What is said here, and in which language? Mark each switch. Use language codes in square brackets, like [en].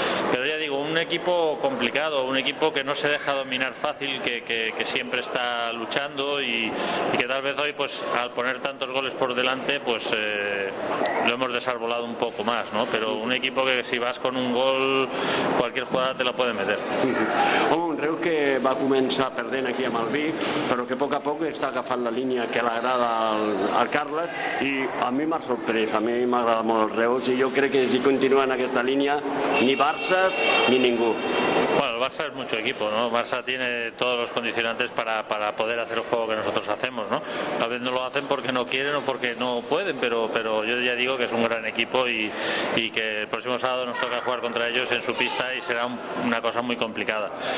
[es] Pero ya digo, un equipo complicado, un equipo que no se deja dominar fácil, que siempre está luchando y que tal vez hoy, pues al poner tantos goles por delante, pues lo hemos desarbolado un poco más, ¿no? Pero un equipo que si vas con un gol, cualquier jugada te la puede meter. Hombre, creo que va a comenzar [ca] perdent aquí a Malví, però que a poc a poc està agafant la línia que l'agrada al Carles, i a mi m'ha sorprès, a mi m'agrada molt el Reus, i jo crec que si continua en aquesta línia, ni Barça ni ningú. [es] Bueno, el Barça es mucho equipo, ¿no? Barça tiene todos los condicionantes para poder hacer el juego que nosotros hacemos, ¿no? Tal vez no lo hacen porque no quieren o porque no pueden, pero yo ya digo que es un gran equipo y que el próximo sábado nos toca jugar contra ellos en su pista y será una cosa muy complicada.